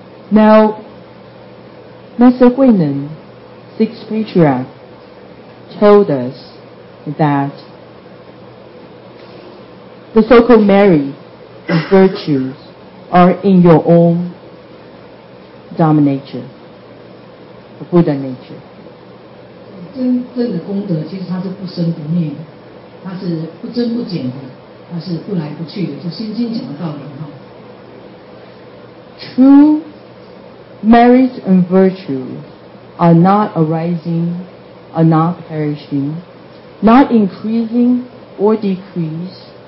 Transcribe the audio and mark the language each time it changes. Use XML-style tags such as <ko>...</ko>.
<en>Now, Master Huinen, Sixth Patriarch, told us that the so-called merit and virtues are in your own Dhamma nature. The Buddha nature.</en> <zh>真正的功德其实它是不生不灭，它是不增不减的，它是不来不去的，就《心经》讲的道理哈。</zh> <en>True merit and virtue are not arising, are not perishing, not increasing or decrease.</en>